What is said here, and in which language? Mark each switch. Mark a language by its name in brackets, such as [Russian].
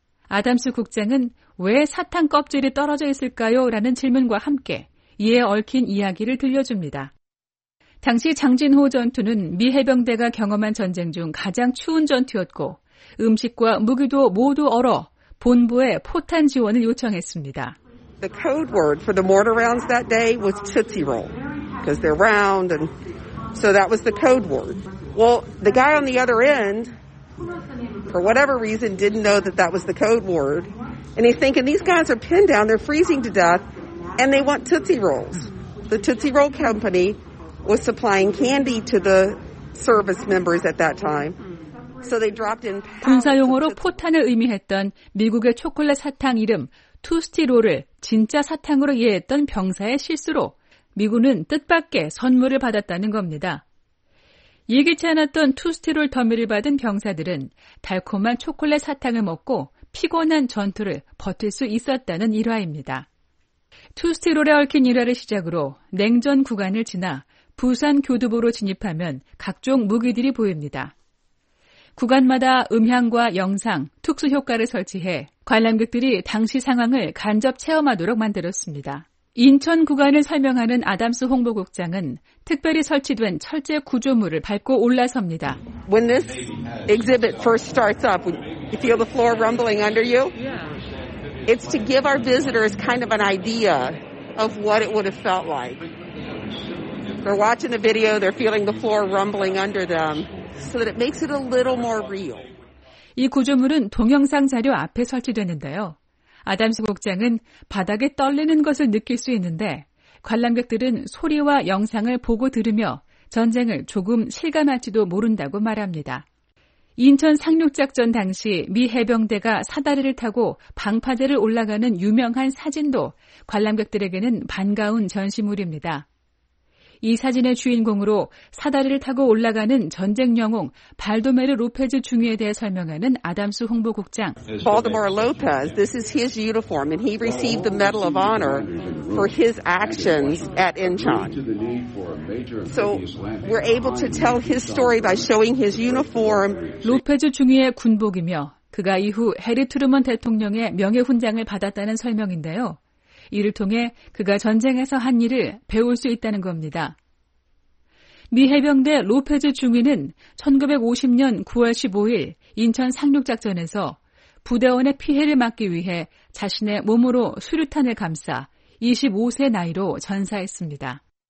[Korean] 아담스 국장은 왜 사탕 껍질이 떨어져 있을까요? 라는 질문과 함께 이에 얽힌 이야기를 들려줍니다. 당시 장진호 전투는 미 해병대가 경험한 전쟁 중 가장 추운 전투였고 음식과 무기도 모두 얼어 본부에 포탄 지원을 요청했습니다. [English] The code word for the mortar rounds that day was Tootsie Roll because they're round and so that was the code word. Well, the guy on the other end for whatever reason didn't know that that was the code word and he's thinking these guys are pinned down, they're freezing to death and they want Tootsie Rolls. The Tootsie Roll company was supplying candy to the service members at that time. So they dropped in [Korean] 군사용어로 포탄을 의미했던 미국의 초콜릿 사탕 이름 투스티롤을 진짜 사탕으로 이해했던 병사의 실수로 미군은 뜻밖의 선물을 받았다는 겁니다. 예기치 않았던 투스티롤 더미를 받은 병사들은 달콤한 초콜릿 사탕을 먹고 피곤한 전투를 버틸 수 있었다는 일화입니다. 투스티롤에 얽힌 일화를 시작으로 냉전 구간을 지나 부산 교두보로 진입하면 각종 무기들이 보입니다. 구간마다 음향과 영상, 특수 효과를 설치해 관람객들이 당시 상황을 간접 체험하도록 만들었습니다. 인천 구간을 설명하는 아담스 홍보국장은 특별히 설치된 철제 구조물을 밟고 올라섭니다. [English] When this exhibit first starts up, you feel the floor rumbling under you? Yeah. It's to give our visitors kind of an idea of what it would have felt like. They're watching the video, they're feeling the floor rumbling under them, so that it makes it a little more real. [Korean] 이 구조물은 동영상 자료 앞에 설치되는데요. 아담스 국장은 바닥에 떨리는 것을 느낄 수 있는데 관람객들은 소리와 영상을 보고 들으며 전쟁을 조금 실감할지도 모른다고 말합니다. 인천 상륙작전 당시 미 해병대가 사다리를 타고 방파제를 올라가는 유명한 사진도 관람객들에게는 반가운 전시물입니다. 이 사진의 주인공으로 사다리를 타고 올라가는 전쟁 영웅 발도메르 로페즈 중위에 대해 설명하는 아담스 홍보국장. [English] Baldomero Lopez, this is his uniform and he received the Medal of Honor for his actions at Incheon. So we're able to tell his story by showing his uniform. [Korean] 로페즈 중위의 군복이며 그가 이후 해리 트루먼 대통령의 명예 훈장을 받았다는 설명인데요. 이를 통해 그가 전쟁에서 한 일을 배울 수 있다는 겁니다. 미 해병대 로페즈 중위는 1950년 9월 15일 인천 상륙작전에서 부대원의 피해를 막기 위해 자신의 몸으로 수류탄을 감싸 25세 나이로 전사했습니다.